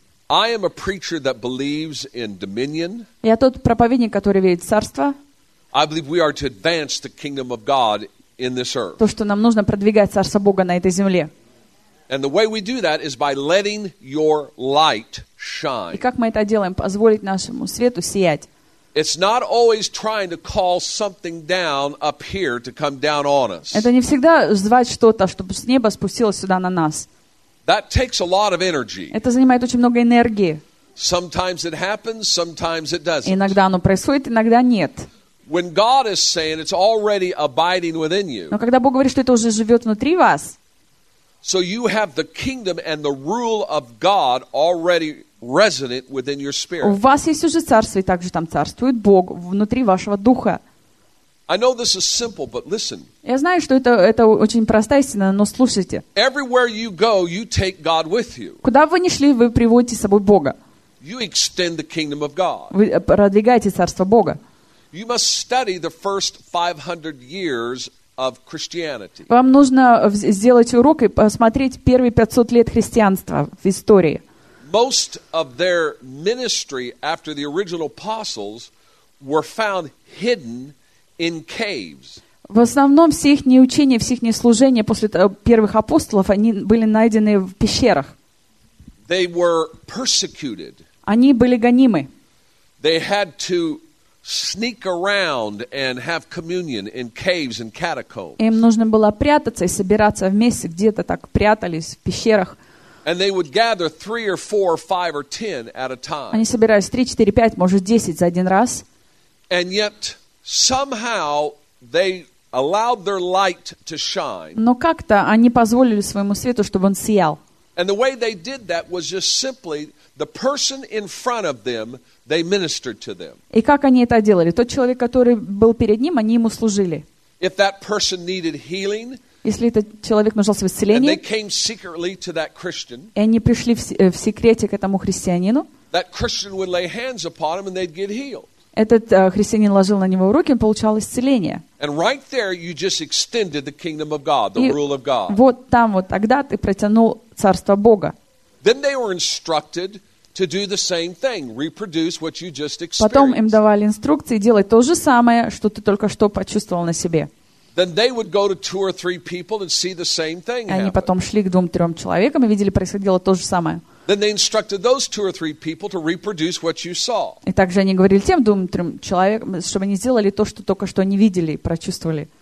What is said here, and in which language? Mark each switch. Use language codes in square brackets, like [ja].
[en] I am a preacher that believes in dominion. [ru] Я тот проповедник, который верит в царство. [en] I believe we are to advance the kingdom of God in this earth. [ru] То, что нам нужно продвигать царство Бога на этой земле. [en] And the way we do that is by letting your light shine. [ru] И как мы это делаем? Позволить нашему свету сиять. [en] It's not always trying to call something down up here to come down on us. [ru] Это не всегда звать что-то, чтобы с неба спустилось сюда на нас. [en] That takes a lot of energy. [ru] Это занимает очень много энергии. [en] Sometimes it happens, sometimes it doesn't. [ru] Иногда оно происходит, иногда нет. [en] When God is saying it's already abiding within you. [ru] Но когда Бог говорит, что это уже живет внутри вас. [en] So you have the kingdom and the rule of God already resident within your spirit. [ru] У вас есть уже царство, и также там царствует Бог внутри вашего духа. [en] I know this is simple, but listen. [ru] Я знаю, что это очень простая истина, но слушайте. [en] Everywhere you go, you take God with you. [ru] Куда бы вы ни шли, вы приводите с собой Бога. [en] You extend the kingdom of God. [ru] Вы продвигаете царство Бога. [en] You must study the first 500 years of Christianity. [ru] Вам нужно сделать урок и посмотреть первые 500 лет христианства в истории. [en] Most of their ministry after the original apostles were found hidden in caves. [ru] В основном все их учения, все их служения после первых апостолов, они были найдены в пещерах. [en] They were persecuted. [ru] Они были гонимы. [en] They had to sneak around and have communion in caves and catacombs. [ru] Им нужно было прятаться и собираться вместе, где-то так прятались в пещерах. [en] And they would gather 3 or 4 or 5 or 10 at a time. [ru] Они собирались 3, 4, 5, может 10 за один раз. [en] And yet somehow they allowed their light to shine. [ru] Но как-то они позволили своему свету, чтобы он сиял. [en] And the way they did that was just simply the person in front of them, they ministered to them. [ru] И как они это делали? Тот человек, который был перед ним, они ему служили. [en] If that person needed healing, [ru] если этот человек нуждался в исцелении, [en] and they came secretly to that Christian, [ru] и они пришли в секрете к этому христианину, [en] that Christian would lay hands upon him and they'd get healed. [ru] Этот христианин ложил на него руки, он получал исцеление. [en] And right there you just extended the kingdom of God, the rule of God. [ru] Вот там вот тогда ты протянул царство Бога. [en] Then they were instructed to do the same thing, reproduce what you just experienced. [ru] Потом им давали инструкции делать то же самое, что ты только что почувствовал на себе. [en] Then they would go to 2 or 3 people and see the same thing happen. [ru] Они потом шли к 2-3 человекам и видели, происходило то же самое. [en] Then they instructed those 2 or 3 people to reproduce what you saw. [ru] И также они говорили тем 2-3 человекам, чтобы они сделали то, что только что они видели и прочувствовали.